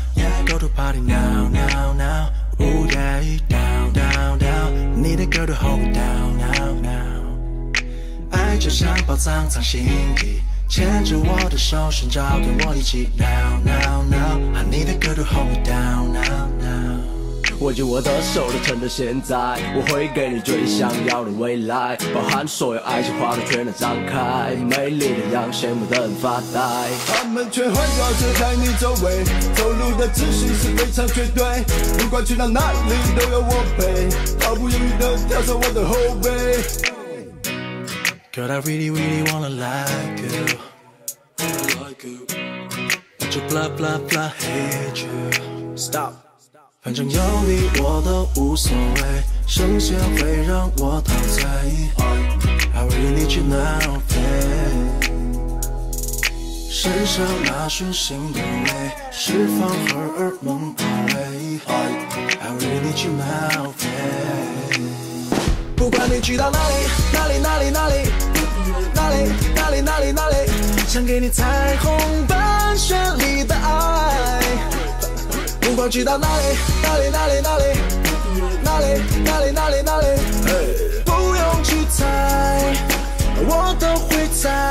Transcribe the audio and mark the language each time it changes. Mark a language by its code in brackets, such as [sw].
[en] Yeah, go to party now, now, now. Ooh, yeah, down, down, down. Need a girl to hold me down, now, now. [zh] 爱就像宝藏藏心底，牵着我的手，寻找跟我一起。 [en] Now, now, now. I need a girl to hold me down, now, now. [zh] 握紧我的手，都趁着现在，我会给你最想要的未来，包含所有爱情，花朵全都张开，美丽的羊，羡慕的人发呆。他们全环绕着在你周围，走路的姿势是非常绝对，不管去到哪里都有我陪，毫不犹豫的跳上我的后背。 [en] Girl, I really, really wanna like you, I like you, but you blah blah blah hate you, stop. [zh] 反正有你我都无所谓，剩下会让我陶醉。 [en] I really need you now, babe。 [zh] 身上那束星的美，释放荷尔蒙堡垒。 [en] I really need you now, babe。 [zh] 不管你去到哪里，哪里哪里哪里哪里哪里哪里哪里，想给你彩虹般绚丽的爱。不管去到哪里，哪里哪里哪里，哪里哪里哪里哪里，不用去猜，我都会在。